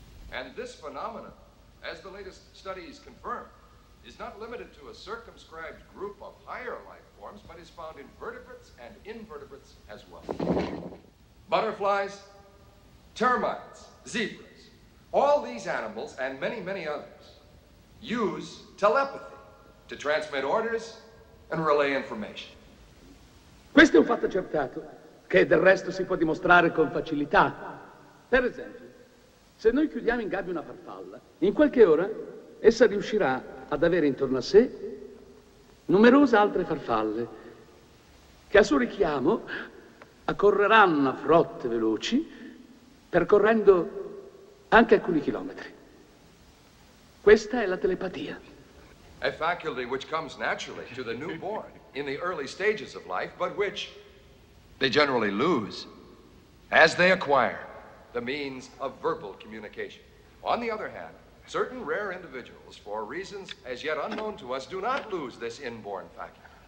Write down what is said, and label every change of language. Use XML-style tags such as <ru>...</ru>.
<en>And this phenomenon, as the latest studies confirm, is not limited to a circumscribed group of higher life forms, but is found in vertebrates and invertebrates as well. Butterflies, termites, zebras, all these animals and many, many others use telepathy to transmit orders and relay information.</en> <it>Questo è un fatto accertato, che del resto si può dimostrare con facilità. Per esempio, se noi chiudiamo in gabbia una farfalla, in qualche ora essa riuscirà ad avere intorno a sé numerose altre farfalle che a suo richiamo accorreranno a frotte veloci, percorrendo anche alcuni chilometri. Questa è la telepatia.</it> <en>A faculty which comes naturally to the newborn in the early stages of life, but which they generally lose as they acquire the means of verbal communication. On the other hand, certain rare individuals, for reasons as yet unknown to us, do not lose this inborn faculty.</en>